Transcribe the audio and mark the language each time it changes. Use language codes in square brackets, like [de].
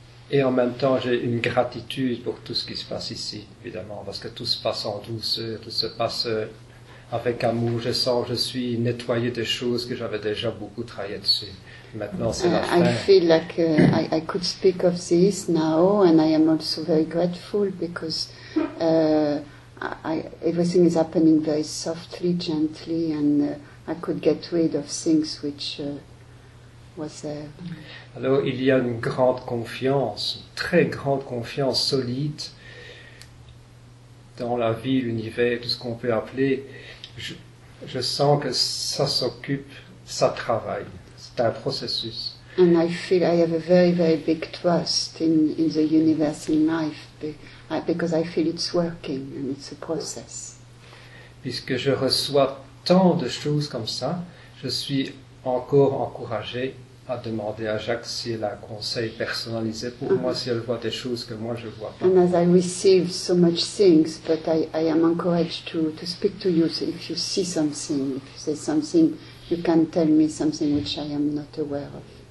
[fr] Et en même temps, j'ai une gratitude pour tout ce qui se passe ici, évidemment, parce que tout se passe en douceur, tout se passe avec amour. Je sens que je suis nettoyé des choses que j'avais déjà beaucoup travaillé dessus. Maintenant, c'est la fin. [en] I feel like I could speak of this now, and I am also very grateful because everything is happening very softly, gently, and... I could get rid of things which was there. [fr] Alors, il y a une grande confiance, très grande confiance solide dans la vie, l'univers, tout ce qu'on peut appeler. Je sens que ça s'occupe, ça travaille. C'est un processus. [en] And I feel I have a very, very big trust in the universe, in life, because I feel it's working and it's a process. [fr] Puisque je reçois tant de choses comme ça, je suis encore encouragé à demander à Jacques si elle a un conseil personnalisé pour moi, si elle voit des choses que moi je ne vois pas. [en] And as I receive so much things, but I am encouraged to speak to you, so if you see something, if you say something, you can tell me something which I am not aware of.